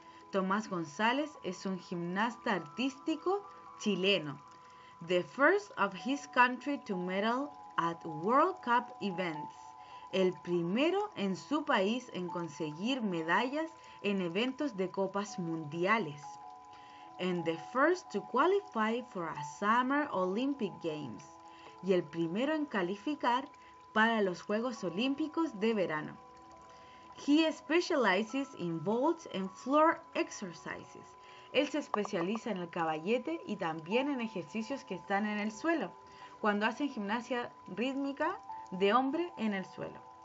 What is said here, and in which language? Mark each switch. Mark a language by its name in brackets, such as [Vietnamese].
[Spanish] Tomás González es un gimnasta artístico chileno. [English] The first of his country to medal at World Cup events. [Spanish] El primero en su país en conseguir medallas en eventos de copas mundiales. [English] And the first to qualify for a Summer Olympic Games. [Spanish] Y el primero en calificar para los Juegos Olímpicos de verano. [English] He specializes in vaults and floor exercises. [Spanish] Él se especializa en el caballete y también en ejercicios que están en el suelo, cuando hacen gimnasia rítmica de hombre en el suelo.